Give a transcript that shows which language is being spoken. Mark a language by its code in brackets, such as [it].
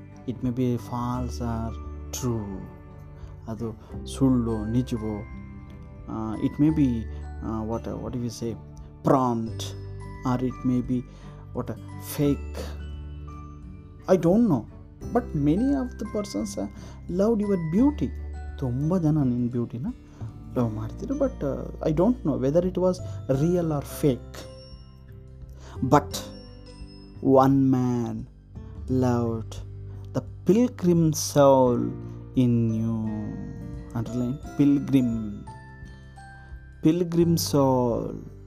[en] it may be false or true, [kn] ಅದು ಸುಳ್ಳು ನಿಜವೋ, [en] It may be what we say prompt or it may be what fake, I don't know. But many of the persons loved your beauty. [kn] ತುಂಬ ಜನ ನಿನ್ನ ಬ್ಯೂಟಿನ love ಮಾಡ್ತಿದ್ರು. [en] But I don't know whether it was real or fake. But one man loved the pilgrim soul in you. Underline pilgrim. Pilgrim soul.